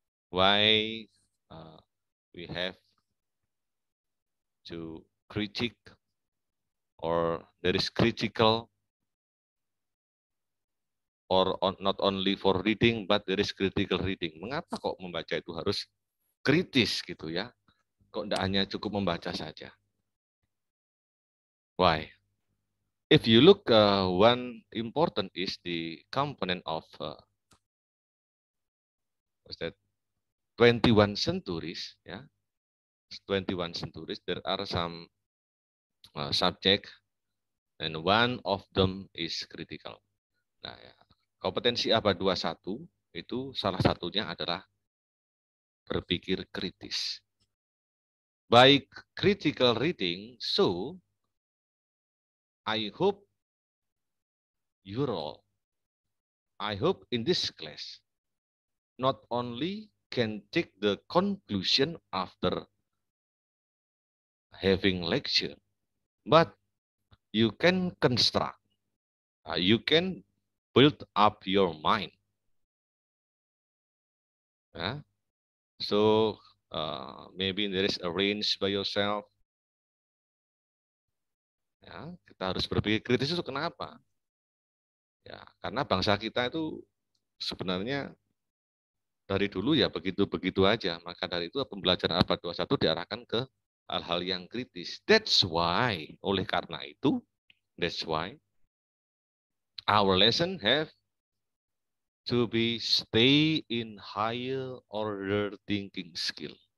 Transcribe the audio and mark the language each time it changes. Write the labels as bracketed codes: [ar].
[en] Why we have to critique, or there is critical, or on, not only for reading but there is critical reading. [id] Mengapa kok membaca itu harus kritis gitu ya? Kok enggak hanya cukup membaca saja? [en] Why? If you look, one important is the component of what's that? 21 centuries, yeah. 21 centuries. There are some subject, and one of them is critical. [id] Nah, ya. Kompetensi abad 21 itu salah satunya adalah berpikir kritis. [en] By critical reading, so I hope you all, I hope in this class, not only can take the conclusion after having lecture, but you can construct, you can build up your mind. So maybe there is a range by yourself. [id] Ya, kita harus berpikir kritis itu kenapa? Ya, karena bangsa kita itu sebenarnya dari dulu ya begitu-begitu aja. Maka dari itu pembelajaran abad 21 diarahkan ke hal-hal yang kritis. [en] That's why, [id] oleh karena itu, [en] that's why our lesson have to be stay in higher order thinking skill.